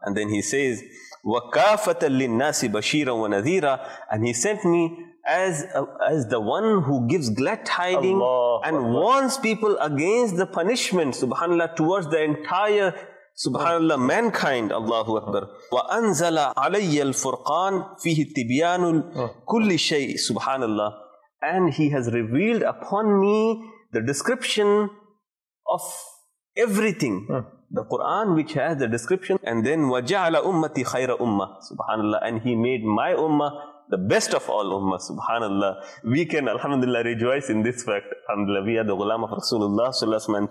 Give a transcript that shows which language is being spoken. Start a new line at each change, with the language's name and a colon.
English: And then he says,
Arabic: وَكَافَةً لِلنَّاسِ بَشِيرًا وَنَذِيرًا.
English: And he sent me as the one who gives glad tidings and Allah warns people against the punishment, subhanallah, towards the entire, subhanallah, mankind, Allahu Akbar.
Arabic: وَأَنْزَلَ عَلَيَّ الْفُرْقَانِ فِيهِ تِبْيَانُ كُلِّ شَيْءٍ, subhanallah.
English: And he has revealed upon me the description of everything. The Quran, which has the description, and then
Arabic: وَجَعَلَ أُمَّتِي خَيْرَ أُمَّةِ
English: Subhanallah, and he made my ummah the best of all ummah. Subhanallah. We can, alhamdulillah, rejoice in this fact. Alhamdulillah, we are the ghulam of Rasulullah sallallahu alaihi wasallam.